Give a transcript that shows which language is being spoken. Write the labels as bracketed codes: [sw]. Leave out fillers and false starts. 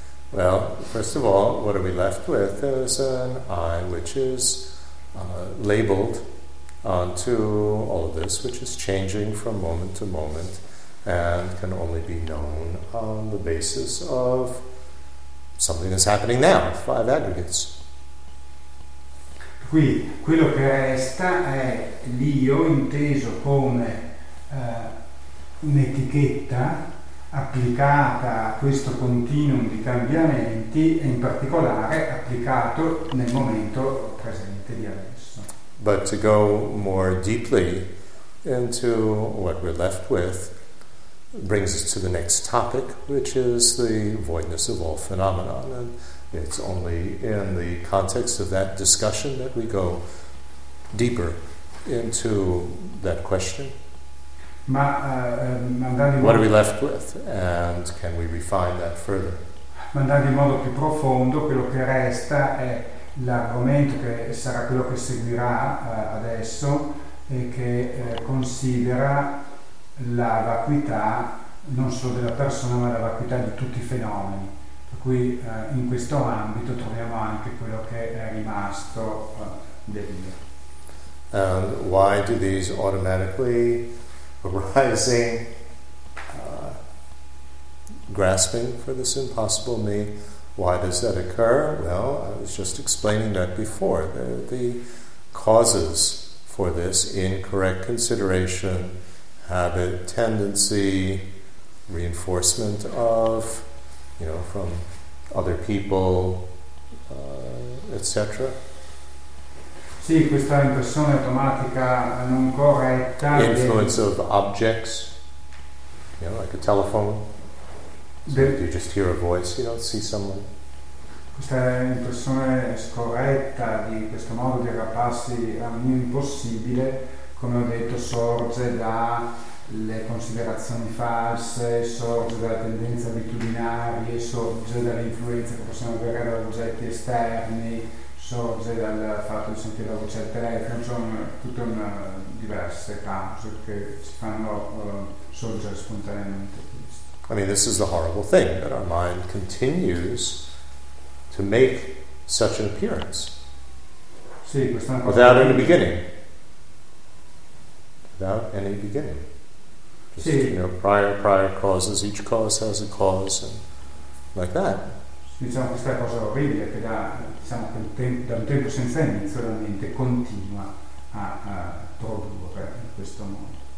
[en] Well, first of all, what are we left with is an I which is labeled onto all of this, which is changing from moment to moment and can only be known on the basis of something that's happening now, five aggregates. [it] Qui quello che resta è l'io inteso come un'etichetta applicata a questo continuum di cambiamenti, e in particolare applicato nel momento presente di adesso. [en] But to go more deeply into what we're left with brings us to the next topic, which is the voidness of all phenomenon. And it's only in the context of that discussion that we go deeper into that question. What are we left with? And can we refine that further? [it] Ma andando in modo più profondo, quello che resta è l'argomento che sarà quello che seguirà adesso, e che considera la vacuità non solo della persona, ma la vacuità di tutti i fenomeni, Per cui in questo ambito troviamo anche quello che è rimasto del mio. [en] And why do these automatically arising grasping for this impossible me, why does that occur? Well, I was just explaining that before. The causes for this incorrect consideration, habit, tendency, reinforcement of, you know, from other people, etc. [it] Sì, questa impressione automatica non corretta. [en] Influence of objects, you know, like a telephone. You just hear a voice, you don't see someone. [it] Questa impressione scorretta di questo modo di aggrapparsi a un impossibile, come ho detto, sorge dalle considerazioni false, sorge dalle tendenze abitudinarie, sorge dalle influenze che possiamo avere da oggetti esterni, sorge dal fatto di sentire la voce al telefono, insomma, tutte diverse cause che ci fanno sorgere spontaneamente. [en] I mean, this is the horrible thing, that our mind continues to make such an appearance. [it] Sì, questa è una cosa [en] without any beginning. Without any beginning. Just, [it] sì. [en] You know, prior causes, each cause has a cause, and like that. [it] Diciamo questa cosa orribile, che da un tempo senza inizio la mente continua a produrre in questo modo.